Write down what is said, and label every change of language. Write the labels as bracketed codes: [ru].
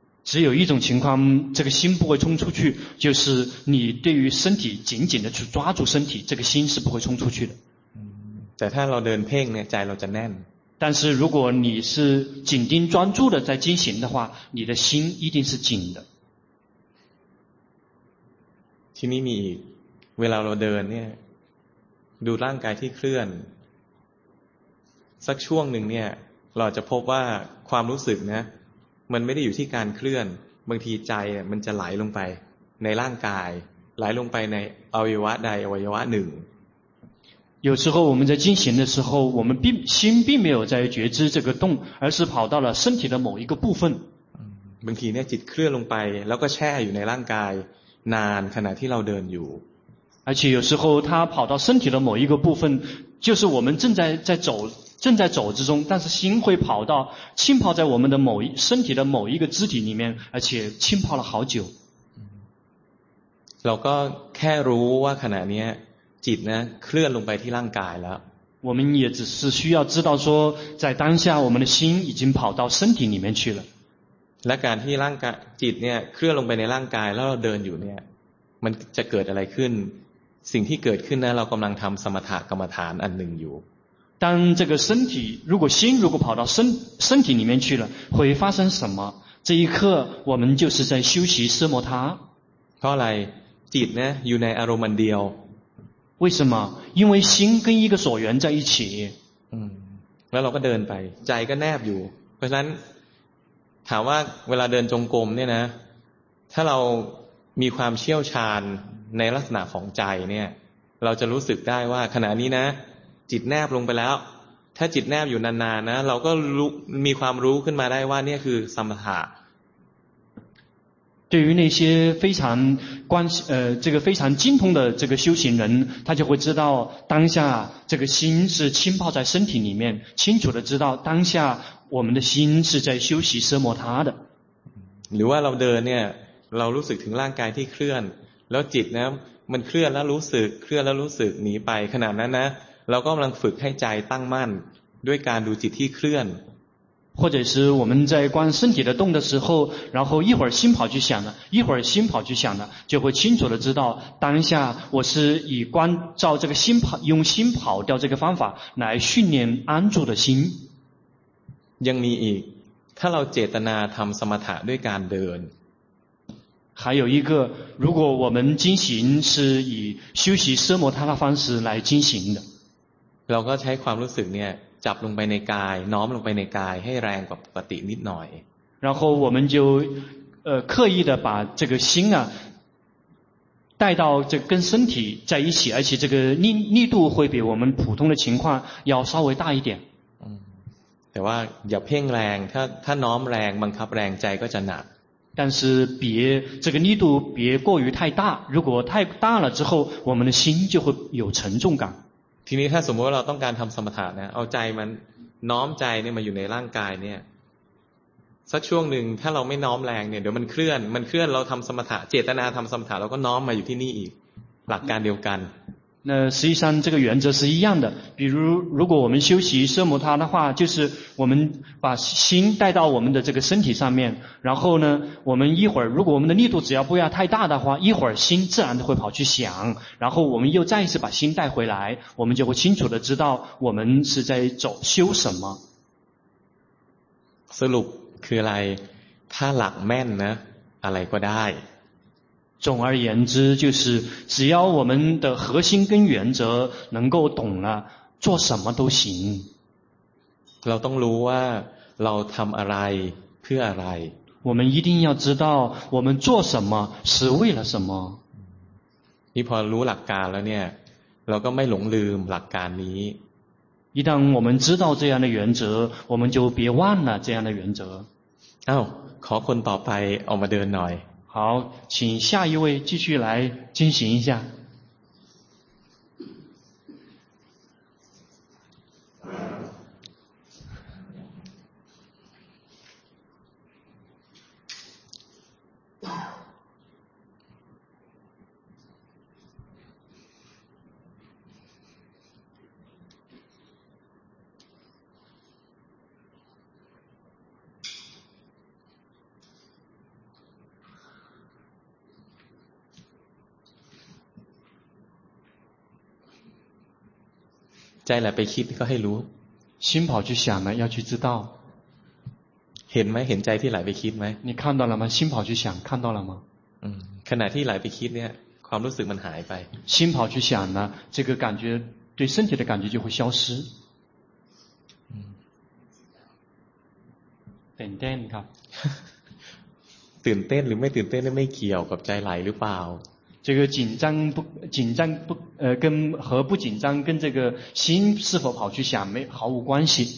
[zh] 只有一种情况这个心不会冲出去就是你对于身体紧紧的去抓住身体这个心是不会冲出去的 [th] แต่ถ้าเราเดินเพ่งเนี่ยใจเราจะแน่น [zh] 但是如果你是紧盯专注的在进行的话你的心一定是紧的 [th] ทีนี้มีอีกเวลาเราเดินเนี่ยดูร่างกายที่เคลื่อนสักช่วงหนึ่งเนี่ยเราจะพบว่าความรู้สึกนะมันไม่ได้อยู่ที่การเคลื่อนบางทีใจมันจะไหลลงไปในร่างกายไหลลงไปในอวัยวะใดอวัยวะหนึ่ง [zh] 有时候我们在进行的时候我们并心并没有在觉知这个动而是跑到了身体的某一个部分 [th] บางทีเนี่ยจิตเคลื่อนลงไปแล้วก็แช่อยู่ในร่างกายนานขณะที่เราเดินอยู่ [zh] 而且有时候它跑到身体的某一个部分就是我们正在走之中但是心会跑到浸泡在我们的某一身体的某一个肢体里面而且浸泡了好久 [th] เราก็แค่รู้ว่าขณะเนี้ยจิตนะเคลื่อนลงไปที่ร่างกายแล้ว [zh] 我们也只是需要知道说在当下我们的心已经跑到身体里面去了 [th] และการที่ร่างกายจิตเนี่ยเคลื่อนลงไปในร่างกายแล้วเราเดินอยู่เนี่ยมันจะเกิดอะไรขึ้นสิ่งที่เกิดขึ้นนะเรากำลังทำสมถกรรมฐานอันหนึ่งอยู่ [zh] 当这个身体如果心如果跑到身体里面去了会发生什么这一刻我们就是在修习奢摩他 [th] เพราะอะไรจิตนะอยู่ในอารมณ์เดียว [zh] 为什么因为心跟一个所缘在一起 [th] แล้วเราก็เดินไปใจก็แนบอยู่เพราะฉะนั้นถามว่าเวลาเดินจงกรมเนี่ยนะถ้าเรามีความเชี่ยวชาญในลักษณะของใจเนี่ยเราจะรู้สึกได้ว่าขณะนี้นะจิตแนบลงไปแล้วถ้าจิตแนบอยู่นานๆนะเราก็รู้มีความรู้ขึ้นมาได้ว่าเนี่ยคือสมถะ [zh] 对于那些非常关这个非常精通的这个修行人他就会知道当下这个心是浸泡在身体里面清楚的知道当下我们的心是在修习奢摩他的 [th] หรือว่าเราเดินเนี่ยเรารู้สึกถึงร่างกายที่เคลื่อนแล้วจิตนะมันเคลื่อนแล้วรู้สึกเคลื่อนแล้วรู้สึกหนีไปขนาดนั้นนะเราก็กำลังฝึกให้ใจตั้งมั่นด้วยการดูจิตที่เคลื่อน [zh] 或者是我们在观身体的动的时候然后一会儿心跑去想了一会儿心跑去想了就会清楚的知道当下我是以观照这个心跑用心跑掉这个方法来训练安住的心 [th] ยังมีอีกถ้าเราเจตนาทำสมถะด้วยการเดิน [zh] 还有一个如果我们进行是以修习奢摩他的方式来进行的 [th] เราก็ใช้ความรู้สึกเนี่ยจับลงไปในกายน้อมลงไปในกายให้แรงกว่าปกตินิดหน่อย [zh] 然后我们就刻意的把这个心啊带到这跟身体在一起而且这个力度会比我们普通的情况要稍微大一点 [th] แต่ว่าอย่าเพ่งแรงถ้าน้อมแรงบังคับแรงใจก็จะหนัก [zh] 但是别这个力度别过于太大如果太大了之后我们的心就会有沉重感 [th] ทีนี้ถ้าสมมติว่าเราต้องการทำสมถะนะเอาใจมันน้อมใจเนี่ยมาอยู่ในร่างกายเนี่ยสักช่วงหนึ่งถ้าเราไม่น้อมแรงเนี่ยเดี๋ยวมันเคลื่อนเราทำสมถะเจตนาทำสมถะเราก็น้อมมาอยู่ที่นี่อีกหลักการเดียวกัน [zh] 那实际上这个原则是一样的比如如果我们修习奢摩他的话就是我们把心带到我们的这个身体上面然后呢我们一会儿如果我们的力度只要不要太大的话一会儿心自然的会跑去想然后我们又再一次把心带回来我们就会清楚的知道我们是在走修什么 [th] สรุปคืออะไรถ้าหลักแม่นนะอะไรก็ได้ [zh] 总而言之就是只要我们的核心跟原则能够懂了做什么都行 [th] เราต้องรู้ว่าเราทำอะไรเพื่ออะไร [zh] 我们一定要知道我们做什么是为了什么 [th] นี่พอรู้หลักการแล้วเนี่ยเราก็ไม่หลงลืมหลักการนี้ [zh] 一旦我们知道这样的原则我们就别忘了这样的原则 [th] เอ้าขอคนต่อไปออกมาเดินหน่อย [zh] 好请下一位继续来进行一下 [th] ใจแหละไปคิดก็ให้รู้ [zh] 心跑去想了要去知道 [th] เห็นไหมเห็นใจที่ไหลไปคิดไหม [zh] 你看到了吗心跑去想看到了吗 [th] ขณะที่ไหลไปคิดเนี่ยความรู้สึกมันหายไป [zh] 心跑去想呢这个感觉对身体的感觉就会消失 [th] ตื่นเต้นครับ ตื่นเต้นหรือไม่ตื่นเต้นไม่เกี่ยวกับใจไหลหรือเปล่า [zh] 这个紧张不紧张不跟和不紧张跟这个心是否跑去想没毫无关系。